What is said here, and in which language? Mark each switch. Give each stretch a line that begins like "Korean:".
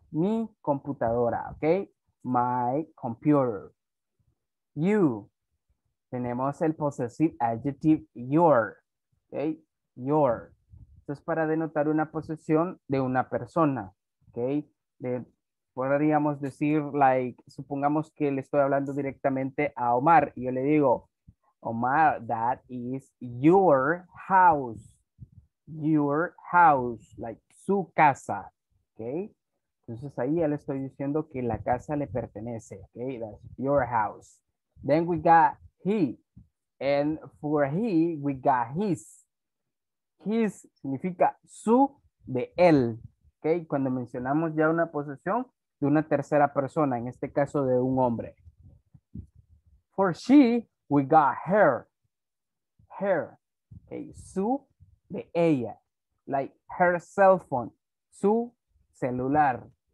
Spanish: Mi computadora, ok.
English: My computer. You.
Spanish: Tenemos el possessive adjective your. Ok. Your. Esto es para denotar una posesión de una persona. Ok. Podríamos decir, like, supongamos que le estoy hablando directamente a Omar. Y yo le digo, Omar,
English: that is your house.
Spanish: Your house, like su casa, okay. Entonces ahí ya le estoy diciendo que la casa le pertenece, okay.
English: That's your house. Then we got he, and for he we got his.
Spanish: His significa su de él, okay. Cuando mencionamos ya una posesión de una tercera persona, en este caso de un hombre.
English: For she we got her, her, okay.
Spanish: Su de ella,
English: like her cell phone,
Spanish: su celular.